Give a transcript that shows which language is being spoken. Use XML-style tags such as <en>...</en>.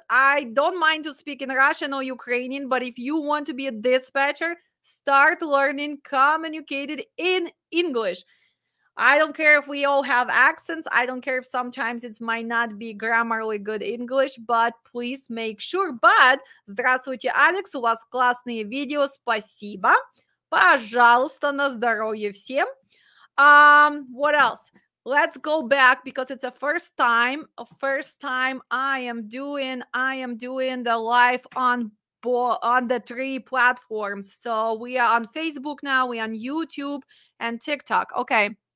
<en>I don't mind to speak in Russian or Ukrainian, but if you want to be a dispatcher, start learning communicated in English. I don't care if we all have accents. I don't care if sometimes it might not be grammarly good English, but please make sure.</en> <ru>But, здравствуйте, Алекс, у вас классные видео, спасибо. Пожалуйста, на здоровье всем.</ru> <en>What else? Let's go back because it's a first time I am doing the live on the three platforms. So we are on Facebook now, we are on YouTube and TikTok. Okay.</en>